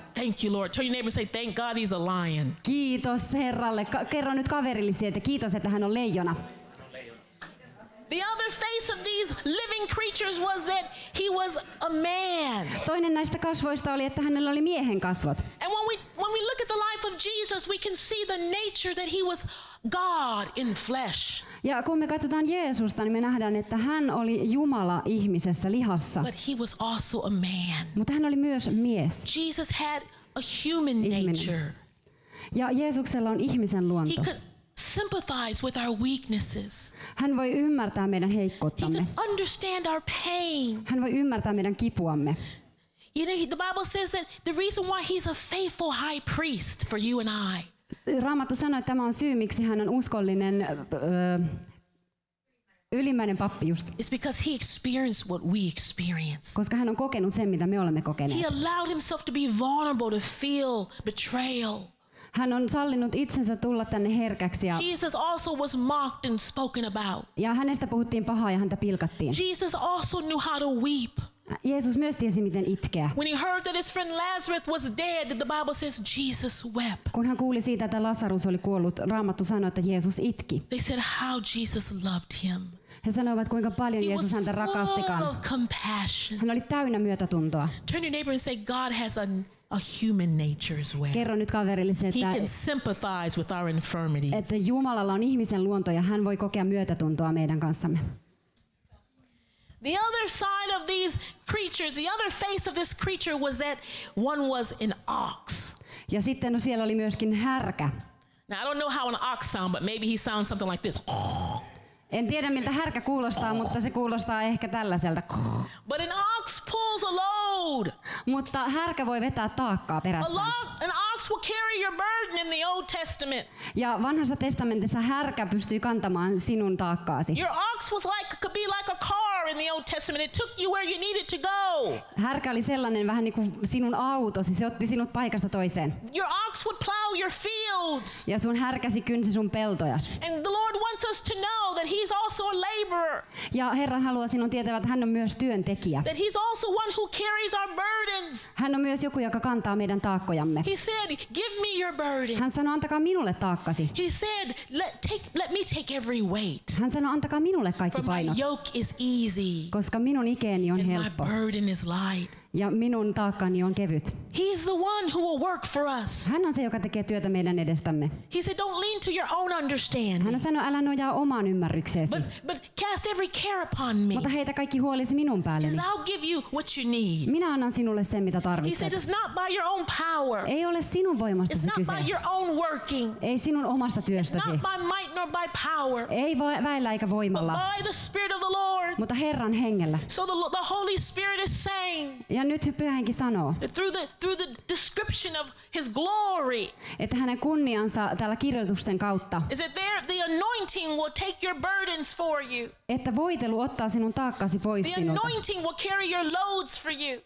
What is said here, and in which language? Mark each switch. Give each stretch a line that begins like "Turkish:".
English: Thank you, Lord. Tell your neighbor, say, thank God he's a lion.
Finnish: Kiitos Herralle. Kerro nyt kaverillesi, että kiitos, että hän on leijona.
English: The other face of these living creatures was that he was a man.
Finnish: Toinen näistä kasvoista oli, että hänellä oli miehen kasvot.
English: And when we look at the life of Jesus, we can see the nature that he was God in flesh.
Finnish: Ja kun me katsotaan Jeesusta, niin me nähdään, että hän oli Jumala ihmisessä lihassa.
English: But he was also a man.
Finnish: Mutta hän oli myös mies.
English: Jesus had a human nature.
Finnish: Ja Jeesuksella on ihmisen luonto.
English: Sympathize with our weaknesses.
Finnish: Hän voi ymmärtää meidän heikkouttamme.
English: He can understand our pain.
Finnish: Hän voi ymmärtää meidän kipuamme.
English: You know, the Bible says that the reason why he's a faithful high priest for you and I.
Finnish: Raamattu sanoo, että tämä on syy, miksi hän on uskollinen ylimmäinen pappi just.
English: It's because he experienced what we experience.
Finnish: Koska hän on kokenut sen, mitä me olemme kokeneet.
English: He allowed himself to be vulnerable, to feel betrayal.
Finnish: Hän on sallinut itsensä tulla tänne herkäksi ja
English: Jesus also was mocked and spoken about.
Finnish: Ja hänestä puhuttiin pahaa ja häntä pilkattiin.
English: Jesus also knew how to weep.
Finnish: Jeesus myös tiesi, miten itkeä.
English: When he heard that his friend Lazarus was dead, the Bible says Jesus wept.
Finnish: Kun hän kuuli siitä, että Lazarus oli kuollut, Raamattu sanoi, että Jeesus itki.
English: They said how Jesus loved him.
Finnish: He sanoivat, kuinka paljon Jeesus häntä rakastikaan. Hän oli täynnä myötätuntoa.
English: Turn to your neighbor and say God has a human nature as well.
Finnish: Kerro nyt kaverillesi, että
English: he can sympathize with our infirmities.
Finnish: Että Jumalalla on ihmisen luonto ja hän voi kokea myötätuntoa meidän kanssamme.
English: The other side of these creatures, the other face of this creature was that one was an ox.
Finnish: Ja sitten no siellä oli myöskin härkä.
English: Now, I don't know how an ox sounds, but maybe he sounds something like this.
Finnish: En tiedä miltä härkä kuulostaa, mutta se kuulostaa ehkä tällaiselta.
English: But an ox pulls a load.
Finnish: Mutta härkä voi vetää taakkaa perässään.
English: An ox will carry your burden in the Old Testament.
Finnish: Ja vanhassa testamentissa härkä pystyy kantamaan sinun taakkaasi.
English: Your ox was like could be like a car in the Old Testament. It took you where you needed to go.
Finnish: Härkä oli sellainen vähän niin kuin sinun autosi, se otti sinut paikasta toiseen.
English: Your ox would plow your fields.
Finnish: Ja sun härkäsi kynsi sun peltojas.
English: And the Lord wants us to know that he's also a laborer.
Finnish: Ja Herra haluaa sinun tietävät, hän on myös työntekijä.
English: That he's also one who carries our burdens.
Finnish: Hän on myös joku, joka kantaa meidän taakkojamme.
English: He said, give me your burden.
Finnish: Hän sanoi, antakaa minulle taakkasi.
English: He said, let me take every weight.
Finnish: Hän sanoi, antakaa minulle kaikki painot.
English: For my yoke is easy.
Finnish: Koska minun ikeeni on helppo.
English: My burden is light.
Finnish: Ja minun taakkani on kevyt.
English: He's the one who will work for us.
Finnish: Hän on se, joka tekee työtä meidän edestämme.
English: He said, don't lean to your own understanding.
Finnish: Hän sanoi, älä nojaa omaan ymmärrykseesi.
English: But cast every care upon me.
Finnish: Mutta heitä kaikki huolisi minun päälleni.
English: He said, I'll give you what you need.
Finnish: Minä annan sinulle sen, mitä tarvitset.
English: He said, it's not by your own power.
Finnish: Ei ole sinun voimastasi kyse.
English: It's not by your own working.
Finnish: Ei sinun omasta työstäsi.
English: It's not by might nor by power.
Finnish: Ei väillä eikä voimalla.
English: But by the Spirit of the Lord.
Finnish: Mutta Herran hengellä.
English: So the Holy Spirit is saying.
Finnish: Ja nyt Pyhä Henki sanoo.
English: Through the description of his glory.
Finnish: Että hänen kunniansa täällä kirjoitusten kautta.
English: Is it there the anointing will take your burdens for you.
Finnish: Että voitelu ottaa sinun taakkasi pois
English: the
Finnish: sinulta.
English: The anointing will carry your loads for you.